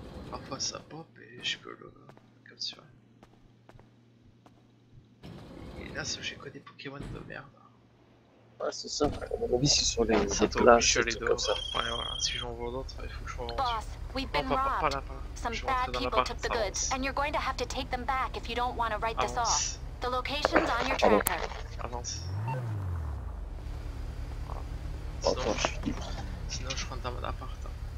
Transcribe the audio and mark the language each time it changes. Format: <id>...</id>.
<fr>Parfois ça pop et je peux le capturer. Et là, j'ai que des Pokémon de merde. Ouais, c'est ça. À mon avis, c'est sur les plages, c'est tout comme ça. Ouais, voilà. Si j'en vois d'autres, il faut que je rentre.</fr> <en>Boss, we've been robbed. Some bad people took the goods, and you're going to have to take them back if you don't want to write this off. The location's on your tracker.</en> <fr>Avance. Sinon, je rentre dans mon appart. Hein.</fr>